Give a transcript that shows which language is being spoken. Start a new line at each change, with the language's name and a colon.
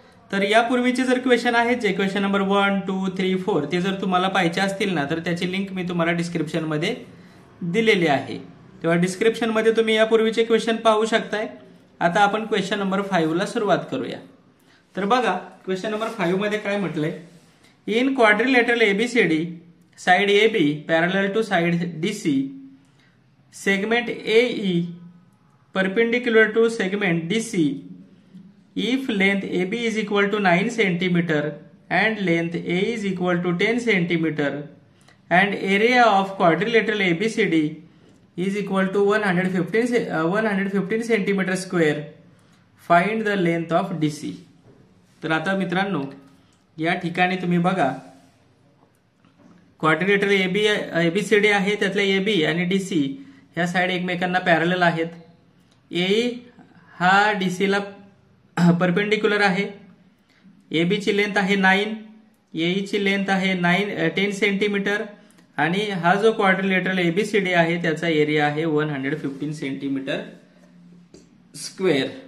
Marathi: तर यापूर्वीचे जर क्वेश्चन आहेत, जे क्वेश्चन नंबर 1, 2, 3, 4 ते जर तुम्हाला पाहिजे असतील ना, तर त्याची लिंक मी तुम्हाला डिस्क्रिप्शन मध्ये दिलेली आहे। तेव्हा डिस्क्रिप्शन मध्ये तुम्ही यापूर्वीचे क्वेश्चन पाहू शकताय। आता आपण क्वेश्चन नंबर 5 ला सुरुवात करूया। तर बघा क्वेश्चन नंबर 5 मध्ये काय म्हटलंय।
English: In quadrilateral ABCD side A B parallel to side D C segment A E perpendicular to segment D C if length A B is equal to 9 centimetre and length A is equal to 10 centimetre and area of quadrilateral ABCD is equal to 115 centimetre square find the length of D C.
Marathi: तर आता मित्रांनो या ठिकाणी तुम्ही बघा, quadrilateral ABCD आहे, त्यातले A B आणि डी सी ह्या साइड एकमेकांना पॅरलल आहेत, ए हा डी सी ला परपेंडिक्युलर आहे, ए बी ची लेंथ आहे 9, ए ची लेंथ आहे 10 सेंटीमीटर आणि हा जो क्वाड्रिलेटरल एबीसीडी आहे त्याचा एरिया आहे 115 सेंटीमीटर स्क्वेअर।